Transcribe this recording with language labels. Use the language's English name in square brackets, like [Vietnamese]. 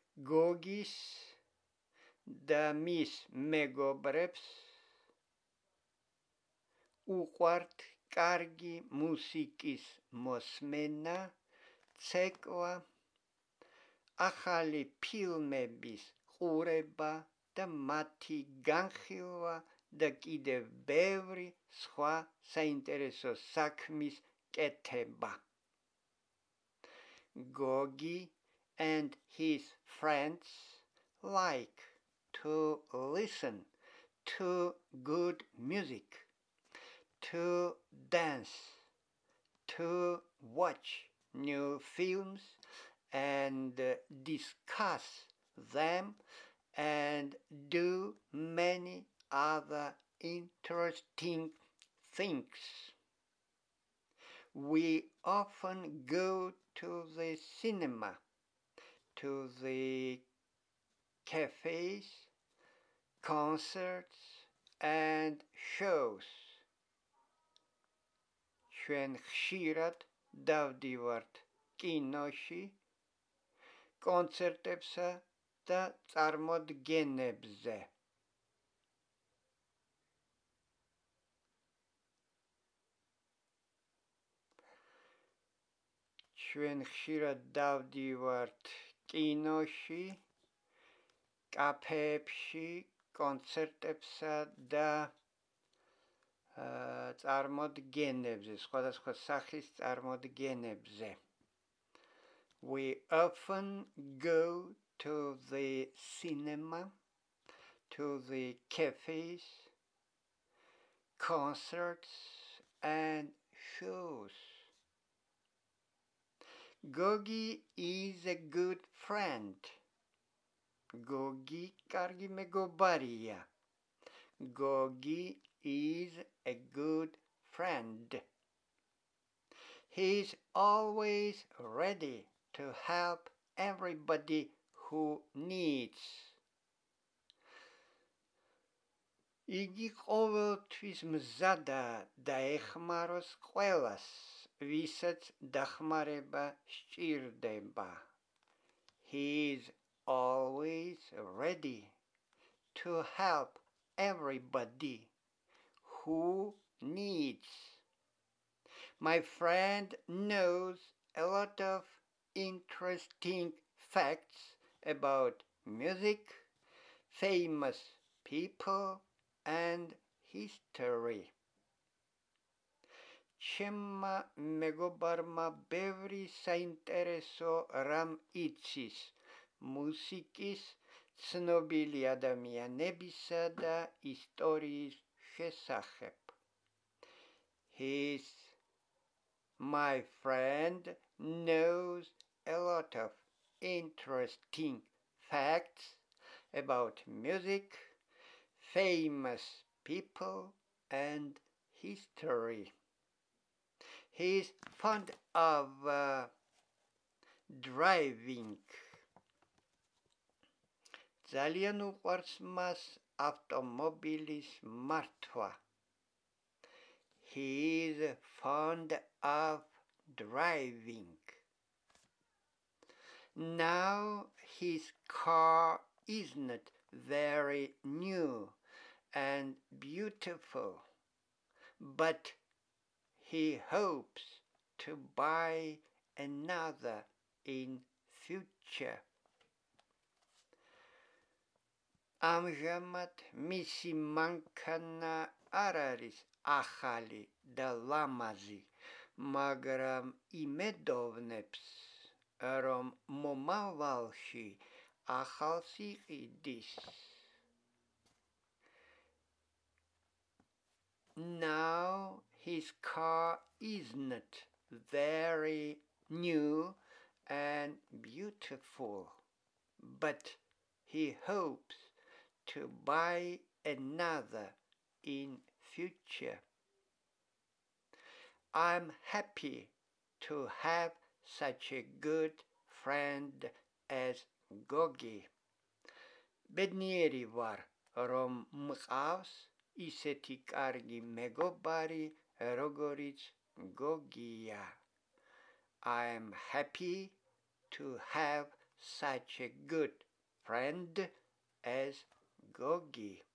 [Georgian] Gogis და მის მეგობრებს უყვართ კარგი მუსიკის მოსმენა, ცეკვა, ახალი ფილმების ყურება და მათი განხილვა და კიდევ ბევრი სხვა საინტერესო საქმის კეთება. [English] Gogi and his friends like to listen to good music, to dance, to watch new films, and discuss them, and do many other interesting things. We often go to the cinema, to the cafes, concerts, and shows. [Georgian] ჩვენ ხშირად დავდივართ კინოში, კონცერტებსა და წარმოდგენებზე. ჩვენ ხშირად დავდივართ კინოში, კაფეებში, კონცერტებსა და წარმოდგენებზე, სხვადასხვა სახის წარმოდგენებზე. [English] We often go to the cinema, to the cafes, concerts and shows. Gogi is a good friend. [Georgian] Gogi კარგი მეგობარია. [English] Gogi is a good friend. He's always ready to help everybody who needs. [Georgian] იგი ყოველთვის მზადა დაეხმაროს ყველას, ვისაც დახმარება სჭირდება. [English] He's always ready to help everybody who needs. My friend knows a lot of interesting facts about music, famous people, and history. [Georgian] ჩემმა მეგობარმა ბევრი საინტერესო რამ იცის მუსიკის, ცნობილი ადამიანებისა და ისტორიის შესახებ. [English] His my friend knows a lot of interesting facts about music, famous people and history. He's fond of driving. [Georgian] ძალიან უყვარს მას ავტომობილის მართვა. [English] He's fond of driving. Now his car isn't very new and beautiful, but he hopes to buy another in future. [Georgian] ამჟამად მისი მანქანა არ არის ახალი და ლამაზი, მაგრამ იმედოვნებს, რომ მომავალში ახალს იყიდის. [English] Now his car isn't very new and beautiful, but he hopes to buy another in future. I'm happy to have such a good friend as Gogi. [Georgian] ბედნიერი ვარ, რომ მყავს ისეთი კარგი მეგობარი, როგორიც გოგია. [English] I am happy to have such a good friend as Gogi.